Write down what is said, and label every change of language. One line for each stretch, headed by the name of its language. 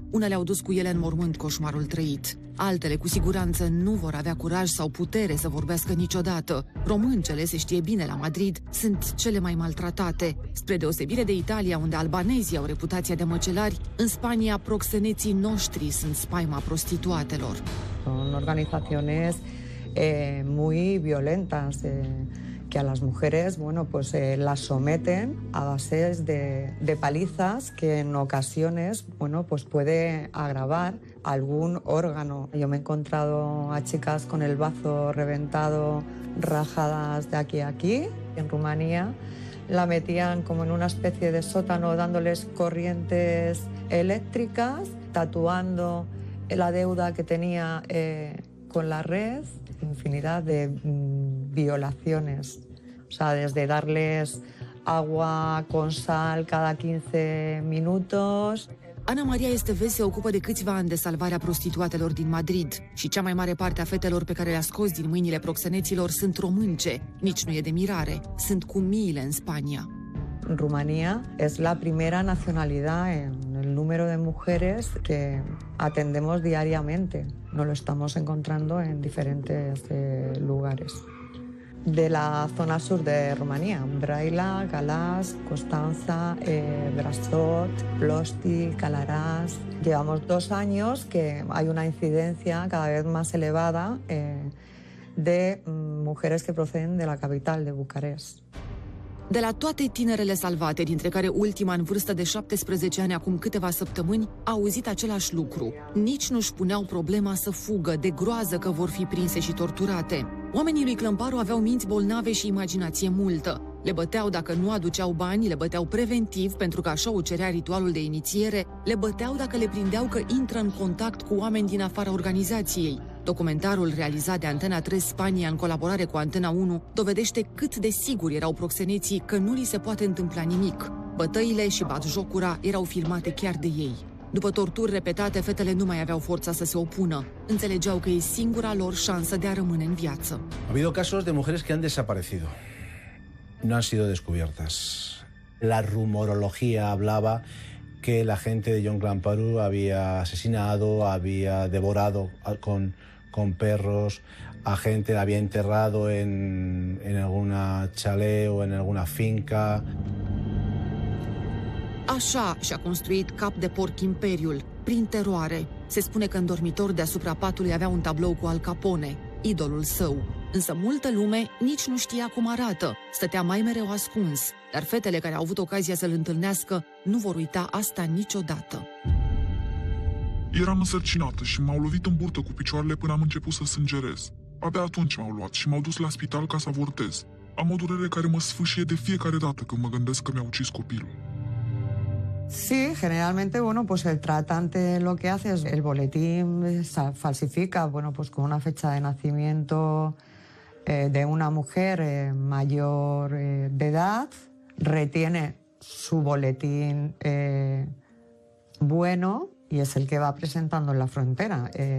Romanian: Unele au dus cu ele în mormânt coșmarul trăit. Altele, cu siguranță, nu vor avea curaj sau putere să vorbească niciodată. Româncele, se știe bine la Madrid, sunt cele mai maltratate. Spre deosebire de Italia, unde albanezii au reputația de măcelari, în Spania, proxeneții noștri sunt spaima prostituatelor.
Spanish: Sunt organizaționez muy violentas. Que a las mujeres, bueno, pues las someten a bases de palizas que en ocasiones, bueno, pues puede agravar algún órgano. Yo me he encontrado a chicas con el bazo reventado, rajadas de aquí a aquí. En Rumanía la metían como en una especie de sótano dándoles corrientes eléctricas, tatuando la deuda que tenía con la red, infinidad de violaciones. O sea, desde darles agua con sal cada 15 minutos.
Romanian: Ana Maria Esteves se ocupă de câțiva ani de salvarea prostituatelor din Madrid și cea mai mare parte a fetelor pe care le-a scos din mâinile proxeneților sunt românce. Nici nu e de mirare, sunt cu miile în Spania.
Spanish: România es la primera nacionalidad en el número de mujeres que atendemos diariamente. No lo estamos encontrando en diferentes lugares. De la zona sur de România, Braila, Galați, Constanța, Brașov, Ploiești, Călărași. Llevamos dos años que hay una incidencia cada vez más elevada de mujeres que proceden de la capital, de Bucarest.
Romanian: De la toate tinerele salvate, dintre care ultima în vârstă de 17 ani acum câteva săptămâni, a auzit același lucru. Nici nu-și puneau problema să fugă, de groază că vor fi prinse și torturate. Oamenii lui Clămparu aveau minți bolnave și imaginație multă. Le băteau dacă nu aduceau bani, le băteau preventiv, pentru că așa o cerea ritualul de inițiere, le băteau dacă le prindeau că intră în contact cu oameni din afara organizației. Documentarul realizat de Antena 3 Spania în colaborare cu Antena 1 dovedește cât de siguri erau proxeneții că nu li se poate întâmpla nimic. Bătăile și batjocura erau filmate chiar de ei. După torturi repetate, fetele nu mai aveau forța să se opună. Înțelegeau că e singura lor șansă de a rămâne în viață.
Spanish: Ha habido casos de mujeres que han desaparecido. No han sido descubiertas. La rumorología hablaba que la gente de John Clamparu había asesinado, había devorado con perros a gente, la había enterrado en alguna chalet o en alguna finca.
Romanian: Așa și-a construit cap de porc imperiul, prin teroare. Se spune că în dormitor deasupra patului avea un tablou cu Al Capone, idolul său. Însă multă lume nici nu știa cum arată, stătea mai mereu ascuns. Dar fetele care au avut ocazia să-l întâlnească nu vor uita asta niciodată. Eram însărcinată și m-au lovit în burtă cu picioarele până am început să sângerez. Abia atunci m-au luat și m-au dus la spital ca să avortez. Am o durere care mă sfâșie de fiecare dată când mă gândesc că mi-a ucis copilul.
Spanish: Sí, generalmente, bueno, pues el tratante lo que hace es el boletín, falsifica, bueno, pues con una fecha de nacimiento de una mujer mayor de edad, retiene su boletín bueno y es el que va presentando en la frontera.